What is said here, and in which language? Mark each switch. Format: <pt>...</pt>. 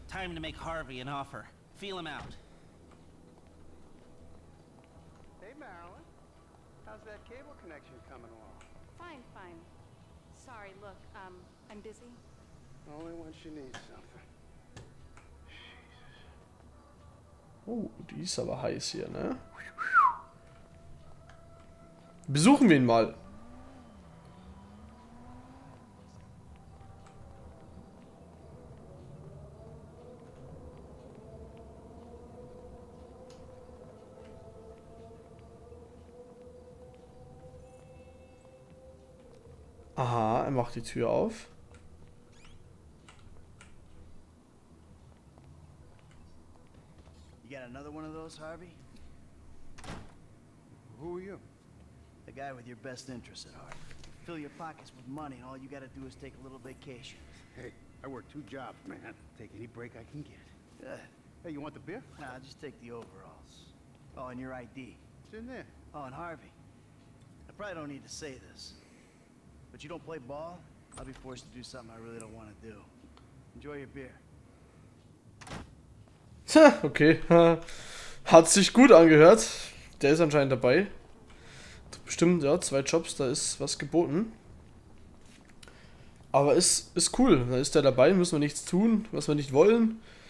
<en>Time to make Harvey an offer. Feel him out. Hey Marilyn. How's that cable connection coming along? Fine, fine. Sorry, look, I'm busy. Only when she needs something.</en> <de>Oh, die ist aber heiß hier, ne? Besuchen wir ihn mal. Aha, er macht die Tür auf.</de> <en>Another one of those, Harvey? Who are you? The guy with your best interests at heart. Fill your pockets with money, and all you gotta do is take a little vacation. Hey, I work two jobs, man. Take any break I can get. Hey, you want the beer? Nah, just take the overalls. Oh, and your ID. It's in there. Oh, and Harvey, I probably don't need to say this, but you don't play ball, I'll be forced to do something I really don't want to do. Enjoy your beer.</en> <de>Okay, hat sich gut angehört. Der ist anscheinend dabei. Du Bestimmt, ja, zwei Jobs, da ist was geboten. Aber ist cool, da ist er dabei, müssen wir nichts tun, was wir nicht wollen.</de>